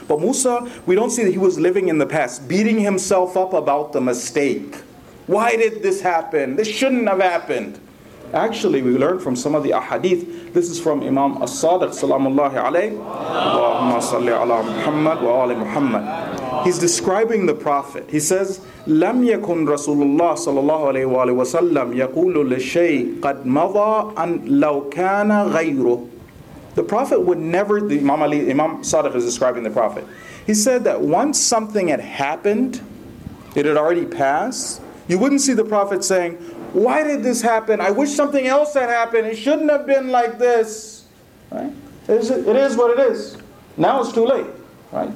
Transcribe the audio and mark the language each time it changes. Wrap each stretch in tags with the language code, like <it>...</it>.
<en>But Musa, we don't see that he was living in the past, beating himself up about the mistake. Why did this happen? This shouldn't have happened. Actually, we learned from some of the ahadith, this is from Imam As-Sadiq, salamullahi alayhi.</en> <ar>Allahumma salli ala Muhammad wa ala Muhammad.</ar> <en>He's describing the Prophet. He says,</en> <ar>لم يكن رسول الله صلى الله عليه وآله وسلم يقول لشيء قد مضى أن لو كان غيره.</ar> <en>The Prophet would never, the Imam Ali, Imam Sadiq is describing the Prophet. He said that once something had happened, it had already passed, you wouldn't see the Prophet saying, why did this happen? I wish something else had happened. It shouldn't have been like this. Right? It is what it is. Now it's too late. Right?</en>